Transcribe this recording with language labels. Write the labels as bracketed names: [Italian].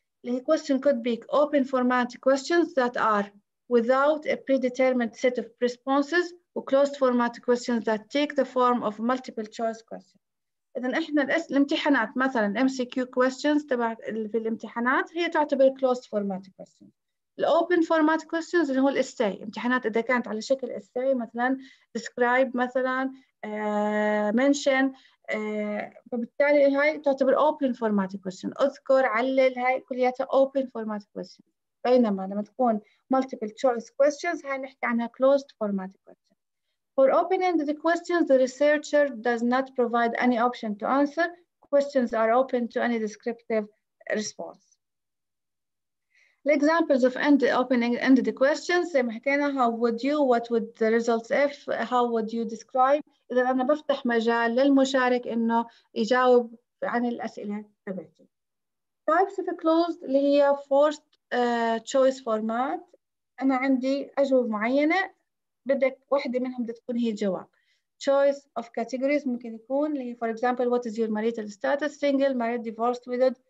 [Arabic] اللي هي [English] question could be open format questions that are without a predetermined set of responses و closed format questions that take the form of multiple choice questions. [Arabic] إذن إحنا الامتحانات مثلاً [English] MCQ questions [Arabic] تبع في الامتحانات هي تعتبر [English] closed format questions. The open format questions [Arabic] اللي هو الاستاي امتحانات إذا كانت على شكل استاي مثلاً describe مثلاً mention فبالتالي هاي تعتبر [English] open format question. [Arabic] أذكر علل هاي كلياتها [English] open format question. [Arabic] بينما لما تكون [English] multiple choice questions [Arabic] هاي نحكي عنها [English] closed format questions. For open-ended questions, the researcher does not provide any option to answer. Questions are open to any descriptive response. The examples of open-ended questions, same [Arabic] حكينا, [English] how would you, what would the results if, how would you describe. [Arabic] إذا أنا بفتح مجال للمشارك إنه يجاوب عن الأسئلة تبعتي. [English] Types of closed [Arabic] اللي هي [English] forced choice format. [Arabic] أنا عندي أجوبة معينة. بدك واحدة منهم تكون هي جواب. [English] Choice of categories [Arabic] ممكن يكون اللي هي [English] for example what is your marital status, single, married, divorced, widowed.